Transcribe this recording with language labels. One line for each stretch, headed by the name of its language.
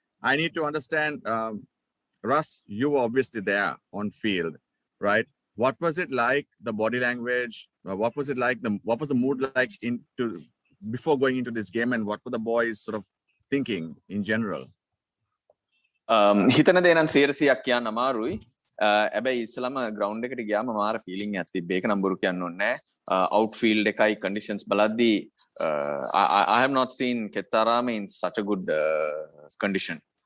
English: I need to understand Russ, you were obviously there on field, right? What was it like, the body language? What was it like? What was the mood like before going into this game? And what were the boys sort of thinking in general?
Sinhala: හිතන දේ නම් 100%ක් කියන්න අමාරුයි. හැබැයි ඉස්සලම ground එකට ගියාම මාර feeling එකක් තිබ්බේ. ඒක නම් බොරු කියන්න ඕනේ නැහැ. අවුට් ෆීල්ඩ් එකයි කන්ඩිෂන්ස් බලද්දී
English: I have not seen Kettarama in such a good condition.